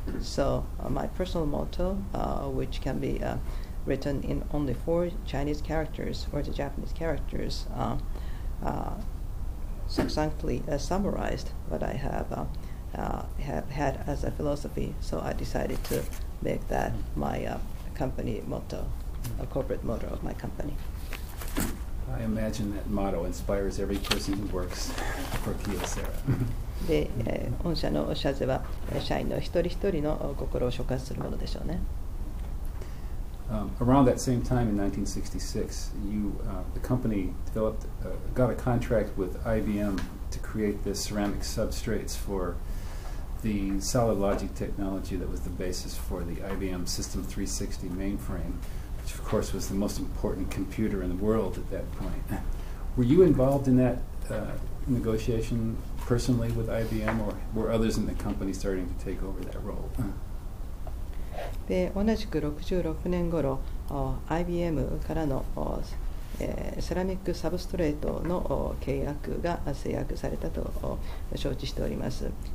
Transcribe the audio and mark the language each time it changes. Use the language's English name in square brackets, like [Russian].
[English] So my personal motto, which can be written in only four Chinese characters or the Japanese characters, succinctly summarized what I have had as a philosophy. So I decided to make that my company motto, a corporate motto of my company. I imagine that motto inspires every person who works for Kyocera. [Japanese] で、御社の社是は社員の一人一人の心を触発するものでしょうね。 [English] Around that same time in 1966, the company developed, got a contract with IBM to create the ceramic substrates for the solid logic technology that was the basis for the IBM System 360 mainframe, which of course was the most important computer in the world at that point. Were you involved in that negotiation personally with IBM, or were others in the company starting to take over that role? [Japanese] で同じく66年頃 IBM からの、セラミックサブストレートの契約が制約されたと承知しております。